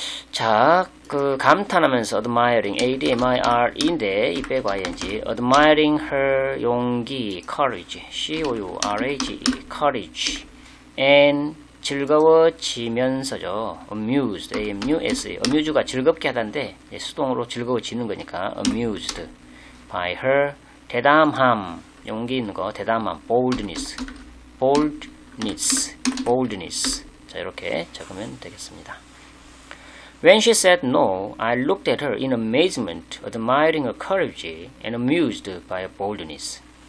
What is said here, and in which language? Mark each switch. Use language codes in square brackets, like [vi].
[ko] 자, 그 감탄하면서 [en] admiring, A-D-M-I-R-E인데, 이 빼고 I-N-G, admiring her 용기, courage, C-O-U-R-A-G-E, courage, and 즐거워지면서죠. [ko] amused, A-M-U-S-E, amused가 즐겁게 하다는데, 예, 수동으로 즐거워지는 거니까, amused. [en] By her [ko] 대담함 용기 있는 거 대담함 boldness [en] boldness, boldness. [ko] 자, 이렇게 적으면 되겠습니다. [en] When she said no, I looked at her in amazement, admiring her courage and amused by her boldness.